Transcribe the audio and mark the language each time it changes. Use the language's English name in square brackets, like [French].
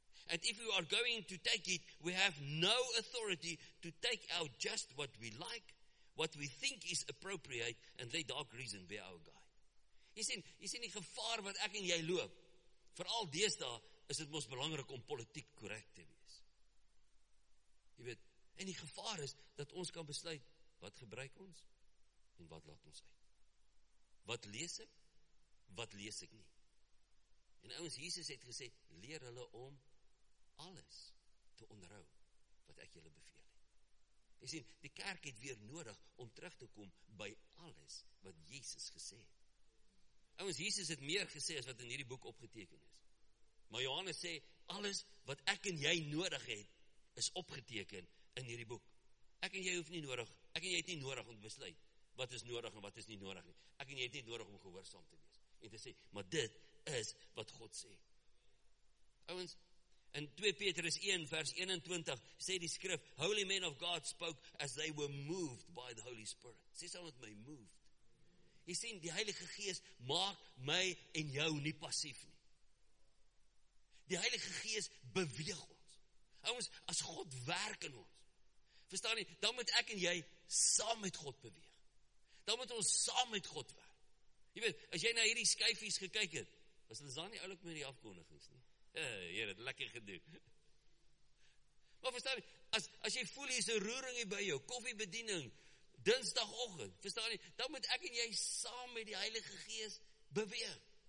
[English] And if we are going to take it, we have no authority to take out just what we like, what we think is appropriate, and let dark reason be our guide." [Afrikaans] Jy sien die gevaar wat ek en jy loop, vooral deesdae, is het mos belangrik om politiek correct te wees. Jy weet, en die gevaar is, dat ons kan besluit, wat gebruik ons, en wat laat ons uit. Wat lees ek, wat lees ek nie. En ons Jesus het gesê, leer hulle om, alles te onderhou wat ek julle beveel het. Jy sien, die kerk het weer nodig om terug te kom by alles wat Jesus gesê het. Ouens, Jesus het meer gesê as wat in hierdie boek opgeteken is. Maar Johannes sê, alles wat ek en jy nodig het, is opgeteken in hierdie boek. Ek en jy het nie nodig om te besluit wat is nodig en wat is nie nodig nie. Ek en jy het nie nodig om gehoorsaam te wees. En te sê, maar dit is wat God sê. Ouens, in 2 Petrus 1 vers 21 sê die skrif, [English] holy men of God spoke as they were moved by the Holy Spirit. [Afrikaans] Sê saam met my, moved. Jy sien, die Heilige Gees maak my en jou nie passief nie. Die Heilige Gees beweeg ons. Ons, as God werk in ons, verstaan nie, dan moet ek en jy saam met God beweeg. Dan moet ons saam met God werk. Jy weet, as jy na hierdie skyfies gekyk het, was dit daar nie oulik met die afkondigings nie. Heer, het lekker gedoen. Maar verstaan nie, as jy voel hier is een roering hier by jou, koffiebediening, dinsdagochtend, verstaan nie, dan moet ek en jy saam met die Heilige Gees beweeg.